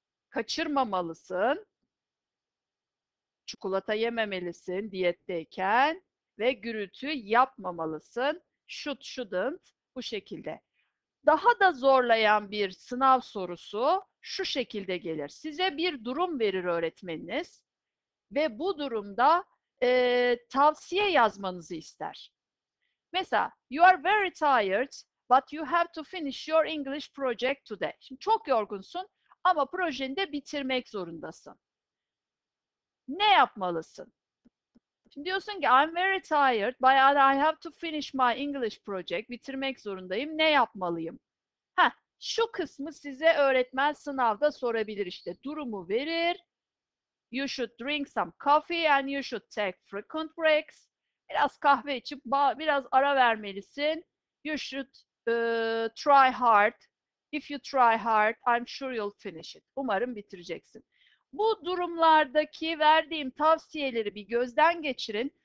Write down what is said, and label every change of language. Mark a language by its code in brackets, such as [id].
[tr] Kaçırmamalısın. Çikolata yememelisin diyetteyken ve gürültü yapmamalısın. Should, shouldn't bu şekilde. Daha da zorlayan bir sınav sorusu şu şekilde gelir. Size bir durum verir öğretmeniniz ve bu durumda tavsiye yazmanızı ister. Mesela, [en] you are very tired but you have to finish your English project today. [tr] Şimdi çok yorgunsun ama projeni de bitirmek zorundasın. Ne yapmalısın? Şimdi diyorsun ki [en] I'm very tired, but I have to finish my English project. [tr] Bitirmek zorundayım. Ne yapmalıyım? Ha, şu kısmı size öğretmen sınavda sorabilir işte. Durumu verir. [en] You should drink some coffee and you should take frequent breaks. [tr] Biraz kahve içip biraz ara vermelisin. [en] You should try hard. If you try hard, I'm sure you'll finish it. [tr] Umarım bitireceksin. Bu durumlardaki verdiğim tavsiyeleri bir gözden geçirin.